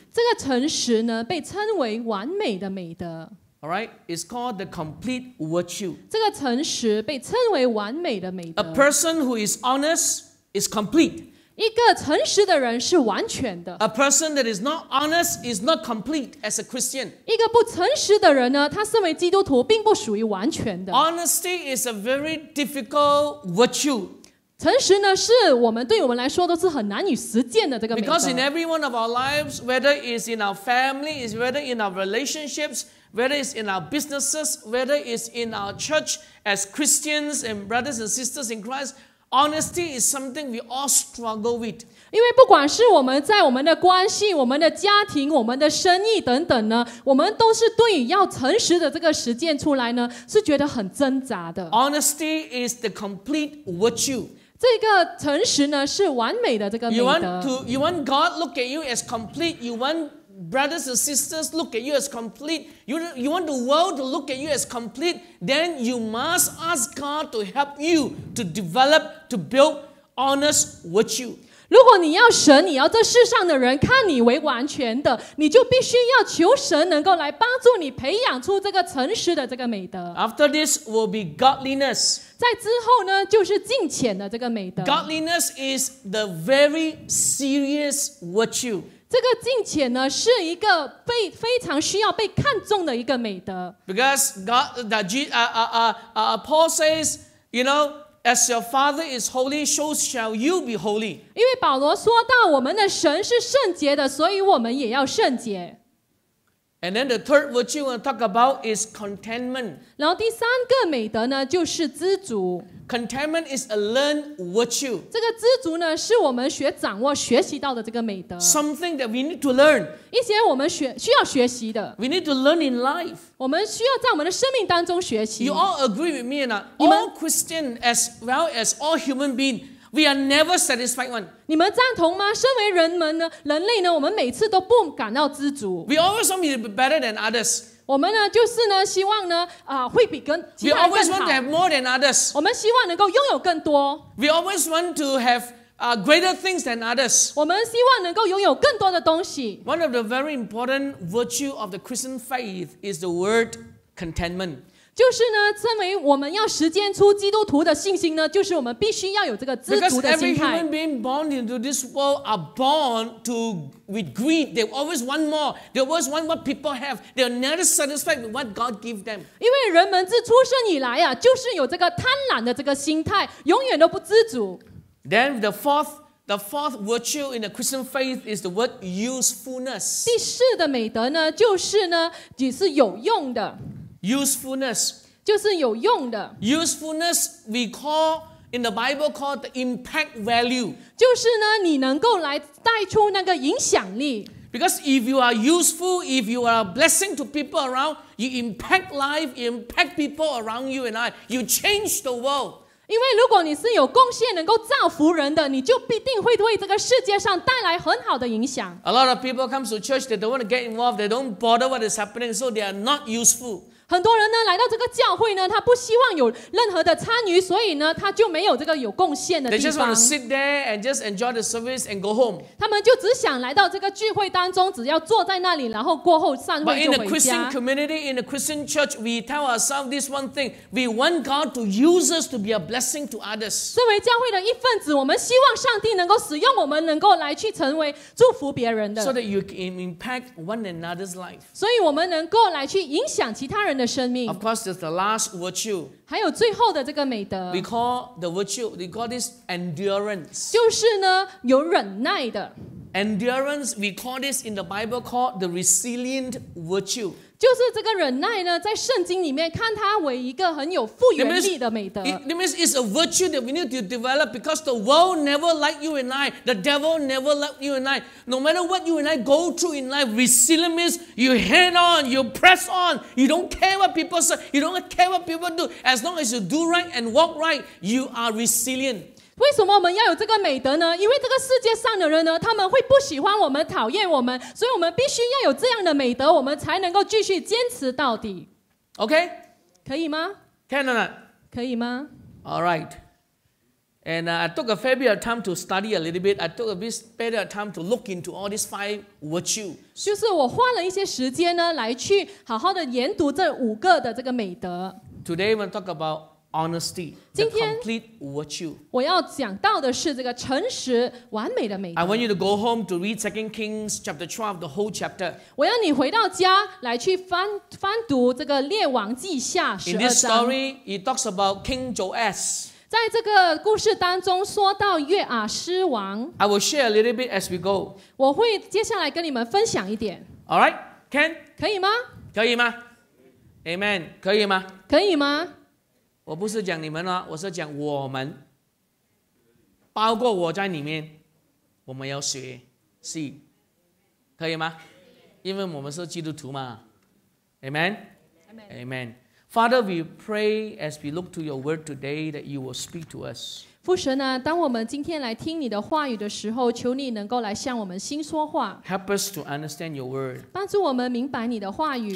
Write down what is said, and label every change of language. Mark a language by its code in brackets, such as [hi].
[zh] 这个诚实呢，被称为完美的美德。 [en] All right, it's called the complete virtue. [zh] 这个诚实被称为完美的美德。 [en] A person who is honest is complete. [zh] 一个诚实的人是完全的。 [en] A person that is not honest is not complete as a Christian. [zh] 一个不诚实的人呢，他身为基督徒并不属于完全的。 [en] Honesty is a very difficult virtue. [zh] 诚实呢，是我们对我们来说都是很难以实践的这个美德。 [en] Because in every one of our lives, whether it's in our family, is whether in our relationships, whether it's in our businesses, whether it's in our church as Christians and brothers and sisters in Christ. Honesty is something we all struggle with. [zh] 因为不管是我们在我们的关系、我们的家庭、我们的生意等等呢，我们都是对于要诚实的这个实践出来呢，是觉得很挣扎的。 [en] Honesty is the complete virtue. [zh] 这个诚实呢，是完美的这个美德。 [en] You want God look at you as complete. You want brothers and sisters look at you as complete. You want the world to look at you as complete. Then you must ask God to help you to develop, to build honest virtue. [zh] 如果你要神，你要这世上的人看你为完全的，你就必须要求神能够来帮助你培养出这个诚实的这个美德。 [en] After this will be godliness. [zh] 在之后呢，就是敬虔的这个美德。 [en] Godliness is the very serious virtue. [zh] 这个敬虔呢，是一个非常需要被看重的一个美德。 [en] Because God, Paul says, you know, as your Father is holy, so shall you be holy. [zh] 因为保罗说到我们的神是圣洁的，所以我们也要圣洁。 [en] And then the third virtue we want to talk about is contentment. [zh] 然后第三个美德呢，就是知足。 [en] Contentment is a learned virtue. [zh] 这个知足呢，是我们学掌握、学习到的这个美德。 [en] Something that we need to learn. [zh] 一些我们需要学习的。 [en] We need to learn in life. [zh] 我们需要在我们的生命当中学习。 [en] You all agree with me or not? All Christian as well as all human being, we are never satisfied one. [zh] 你们赞同吗？身为人们呢，人类呢，我们每次都不感到知足。 [en] We always want to be better than others. [zh] 我们呢，就是呢，希望呢，会比跟其他人更好。 [en] We always want to have more than others. [zh] 我们希望能够拥有更多。 [en] We always want to have greater things than others. [zh] 我们希望能够拥有更多的东西。 [en] One of the very important virtue of the Christian faith is the word contentment. [zh] 就是呢，身为我们要实践出基督徒的信心呢，就是我们必须要有这个知足的心态。 [en] Because every human being born into this world are born to. With greed, they always want more. They always want what people have. They are never satisfied with what God gives them. [zh] 因为人们自出生以来啊，就是有这个贪婪的这个心态，永远都不知足。 [en] Then the fourth virtue in the Christian faith is the word usefulness. [zh] 第四的美德呢，就是呢，也是有用的。 [en] Usefulness [zh] 就是有用的。 [en] Usefulness we call. In the Bible called the impact value. [zh] 就是呢，你能够来带出那个影响力。 [en] Because if you are useful, if you are a blessing to people around, you impact life, you impact people around you and I. You change the world. [zh] 因为如果你是有贡献能够造福人的，你就必定会为这个世界上带来很好的影响。 [en] A lot of people come to church, they don't want to get involved, they don't bother what is happening, so they are not useful. [zh] 很多人呢来到这个教会呢，他不希望有任何的参与，所以呢他就没有这个有贡献的地方。 [en] They just want to sit there and just enjoy the service and go home. [zh] 他们就只想来到这个聚会当中，只要坐在那里，然后过后散会就回家。 [en] But in the Christian community, in the Christian church, we tell ourselves this one thing: we want God to use us to be a blessing to others. [zh] 身为教会的一份子，我们希望上帝能够使用我们，能够来去成为祝福别人的。 [en] So that you can impact one another's life. [zh] 所以我们能够来去影响其他人的。 [en] Of course, there's the last virtue. [zh] 还有最后的这个美德。 [en] We call the virtue. We call this endurance. [zh] 就是呢，有忍耐的。 [en] Endurance. We call this in the Bible called the resilient virtue. [zh] 就是这个忍耐呢，在圣经里面看它为一个很有复原力的美德。 [en] That means it's a virtue that we need to develop because the world never liked you and I. The devil never liked you and I. No matter what you and I go through in life, resilient means you hang on, you press on. You don't care what people say. You don't care what people do. As long as you do right and walk right, you are resilient. [zh] 为什么我们要有这个美德呢？因为这个世界上的人呢，他们会不喜欢我们，讨厌我们，所以我们必须要有这样的美德，我们才能够继续坚持到底。 [en] OK， [zh] 可以吗 [en] ？Can or not？ [zh] 可以吗 [en] ？All right。 And I took a fair bit of time to study a little bit. I took a bit better time to look into all these five virtues. [zh] 就是我花了一些时间呢，来去好好的研读这五个的这个美德。 [en] Today we talk about honesty, the complete virtue. [zh] 我要讲到的是这个诚实完美的美德。 [en] I want you to go home to read 2 Kings chapter 12, the whole chapter. [zh] 我要你回到家来去翻翻读这个列王记下十二章。 [en] In this story, it talks about King Joash. [zh] 在这个故事当中说到约阿诗王 [en] I will share a little bit as we go [zh] 我会接下来跟你们分享一点 [en] All right, can? [zh] 可以吗可以吗 Amen, 可以吗可以吗我不是讲你们我是讲我们包括我在里面我们要学 See 可以吗因为我们是基督徒嘛 Amen [en] Amen, Amen. Father, we pray as we look to your word today that you will speak to us. [zh] 父神啊，当我们今天来听你的话语的时候，求你能够来向我们心说话。 [en] Help us to understand your word. [zh] 帮助我们明白你的话语。